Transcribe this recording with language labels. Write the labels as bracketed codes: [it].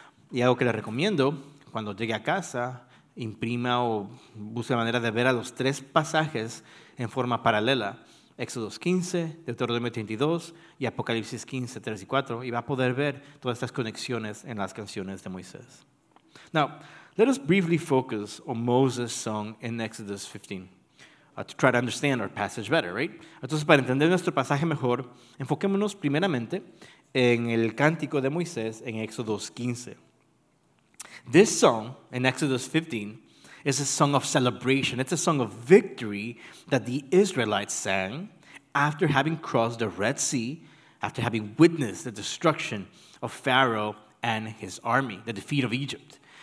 [es] Y algo que les recomiendo, cuando llegue a casa, imprima o busque la manera de ver a los tres pasajes en forma paralela, Éxodos 15, Deuteronomio 32 y Apocalipsis 15, 3 y 4, y va a poder ver todas estas conexiones en las canciones de Moisés. [en] Now, let us briefly focus on Moses' song in Exodus 15 to try to understand our passage better, right? [es] Entonces, para entender nuestro pasaje mejor, enfoquémonos primeramente en el cántico de Moisés en Éxodos 15. [en] This song in Exodus 15 is a song of celebration. It's a song of victory that the Israelites sang after having crossed the Red Sea, after having witnessed the destruction of Pharaoh and his army, the defeat of Egypt.